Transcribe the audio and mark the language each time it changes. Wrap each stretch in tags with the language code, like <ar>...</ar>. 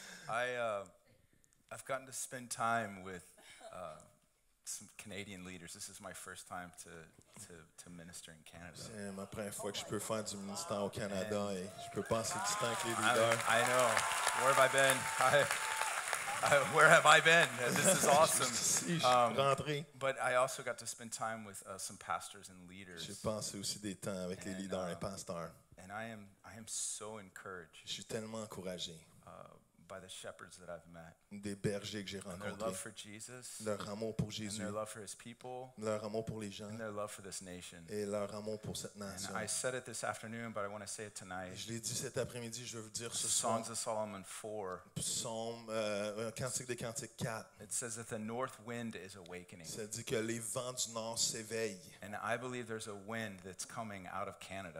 <en>I've gotten to spend time with some Canadian leaders. This is my first time to minister in Canada.</en> <fr>C'est ma première fois que je peux faire du ministère au Canada et je peux passer du temps avec les leaders.</fr> <en>I know. Where have I been? Where have I been? This is awesome. But I also got to spend time with some pastors and leaders.</en> <fr>J'ai passé aussi des temps avec les leaders et pasteurs.</fr> <en>And I am so encouraged.</en> <fr>Je suis tellement encouragé.</fr> <en>By the shepherds that I've met.</en> <fr>Des bergers que j'ai rencontrés.</fr> <en>Their love for Jesus.</en> <fr>Leur amour pour Jésus.</fr> <en>And their love for his people.</en> <fr>Leur amour pour les gens.</fr> <en>And their love for this nation.</en> <fr>Et leur amour pour cette nation.</fr> <en>And I said it this afternoon, but I want to say it tonight.</en> <fr>Je l'ai dit cet après-midi, je veux vous dire ce soir.</fr> <en>Songs of Solomon 4.</en> <fr>Cantique des Cantiques 4.</fr> <en>It says that the north wind is awakening.</en> <fr>Ça dit que les vents du nord s'éveillent.</fr> <en>And I believe there's a wind that's coming out of Canada.</en>